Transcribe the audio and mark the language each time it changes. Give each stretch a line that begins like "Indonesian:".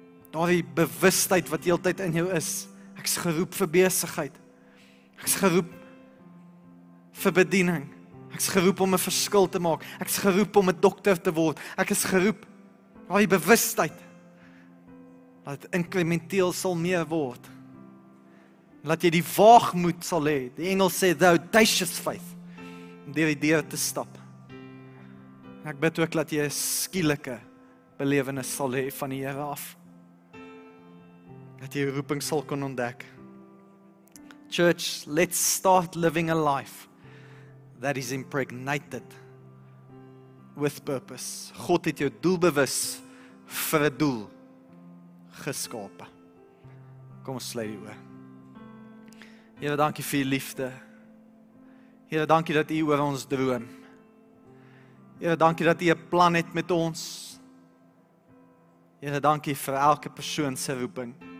Afrikaans: Daardie bewustheid wat die hele tyd in jou is, ek is geroep vir besigheid, ek is geroep vir bediening, ek is geroep om 'n verskil te maak, ek is geroep om 'n dokter te word, ek is geroep, daardie bewustheid, dat het incrementeel sal meer word, dat jy die waagmoed sal hê, die Engels sê,
English: the audacious faith,
Afrikaans: om deur die deur te stap. Ek bid ook dat jy 'n skielike belewenis sal hê van die Here af. Dat jy roeping sal kon ontdek.
English: Church, let's start living a life that is impregnated with purpose.
Afrikaans: God het jou doelbewus vir 'n doel geskape. Kom ons sluit die oë. Here, dankie vir die liefde. Here, dankie dat U oor ons droom. Here, dankie dat U 'n plan het met ons. Here, dankie vir elke persoon se roeping.